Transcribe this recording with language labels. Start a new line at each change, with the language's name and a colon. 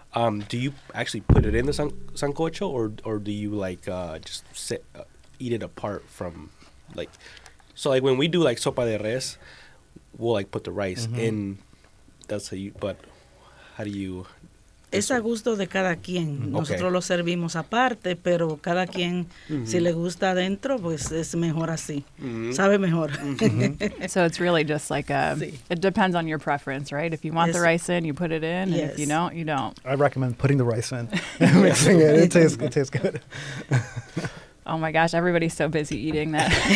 English: Do you actually put it in the sancocho, or do you, like, just eat it apart from, like... So, like, when we do, like, sopa de res, we'll, like, put the rice in. That's how you... But how do you...
Spanish: Es a gusto de cada quien. Nosotros lo servimos aparte, pero cada quien, si le gusta adentro, pues es mejor así. Sabe mejor.
English: So it's really just like a, it depends on your preference, right? If you want the rice in, you put it in, and if you don't, you don't. I recommend putting the rice in. Mixing it. It tastes good. Oh my gosh, everybody's so busy eating that.